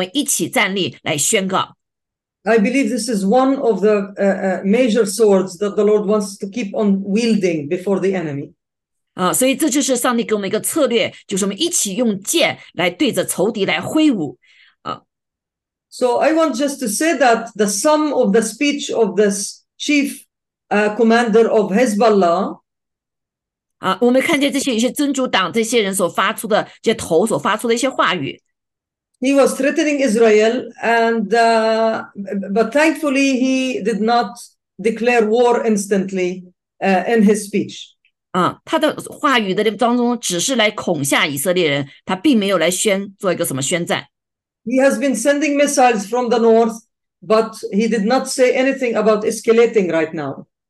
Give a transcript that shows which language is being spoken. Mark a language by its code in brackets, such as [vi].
[zh] 所以我期盼着你们在一起为我们一起祷告的时候，为以色列祷告的时候，用这些经节来跟我们一起站立，来宣告。 [en] I believe this is one of the major swords that the Lord wants to keep on wielding before the enemy. [zh] 所以这就是上帝给我们一个策略，就是我们一起用剑来对着仇敌来挥舞。 [en] So I want just to say that the sum of the speech of this chief commander of Hezbollah. [zh] 我们看见这些一些真主党这些人所发出的这些头所发出的一些话语。 [en] He was threatening Israel, but thankfully he did not declare war instantly in his speech. [zh] 他的话语的当中只是来恐吓以色列人，他并没有来做一个什么宣战。 [en] He has been sending missiles from the north, but he did not say anything about escalating right now.